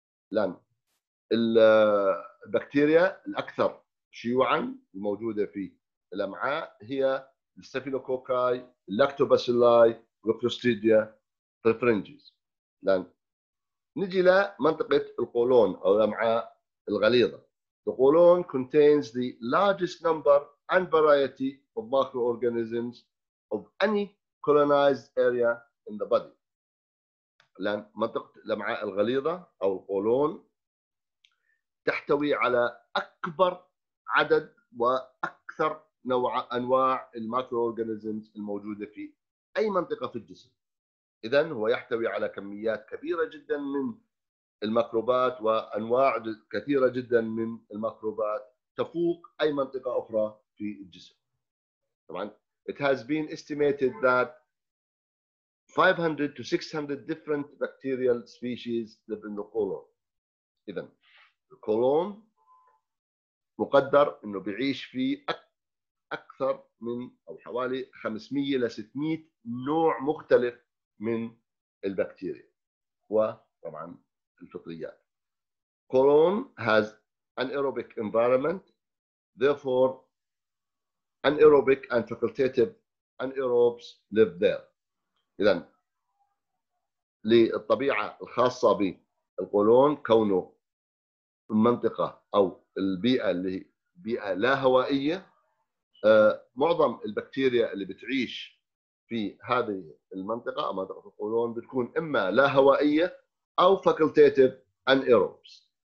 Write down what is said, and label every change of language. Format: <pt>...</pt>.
<ar>لأن البكتيريا الأكثر شيوعاً الموجودة في الأمعاء هي Staphylococci, Lactobacilli, Clostridia perfringens. لأن نجي إلى منطقة القولون أو الأمعاء الغليظة.</ar> <en>The colon contains the largest number and variety of microorganisms of any colonized area in the body.</en> <ar>لأن منطقة الأمعاء الغليظة أو القولون تحتوي على أكبر عدد وأكثر نوع أنواع الميكروأورجانيزمز الموجودة في أي منطقة في الجسم. إذن هو يحتوي على كميات كبيرة جدا من الميكروبات وأنواع كثيرة جدا من الميكروبات تفوق أي منطقة أخرى في الجسم. طبعا</ar> <en>it has been estimated that 500 to 600 different bacterial species live in the colon.</en> <ar>إذا القولون مقدر إنه بيعيش فيه أكثر من أو حوالي 500 إلى 600 نوع مختلف من البكتيريا وطبعا الفطريات.</ar> <en>Colon has anaerobic environment, therefore anaerobic and facultative anaerobes live there.</en> <ar>إذا للطبيعة الخاصة بالقولون كونه المنطقة أو البيئة اللي بيئة لا هوائية، معظم البكتيريا اللي بتعيش في هذه المنطقة أو منطقة القولون بتكون إما لا هوائية أو فاكولتيتيف أنيروبس.</ar>